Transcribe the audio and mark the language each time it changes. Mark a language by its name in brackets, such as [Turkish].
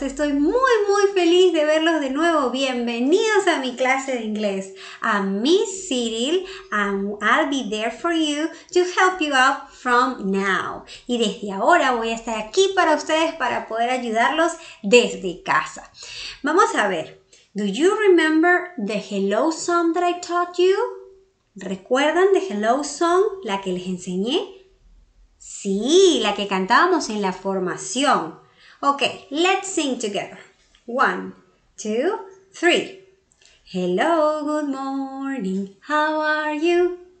[Spanish] Estoy muy, muy feliz de verlos de nuevo. Bienvenidos a mi clase de inglés. [English] I'm Miss Cyril and I'll be there for you to help you out from now. [Spanish] Y desde ahora voy a estar aquí para ustedes para poder ayudarlos desde casa. Vamos a ver. [English] Do you remember the hello song that I taught you? [Spanish] ¿Recuerdan [English] the hello song, [Spanish] la que les enseñé? Sí, la que cantábamos en la formación. [English] Okay, let's sing together. One, two, three. Hello, good morning, how are you?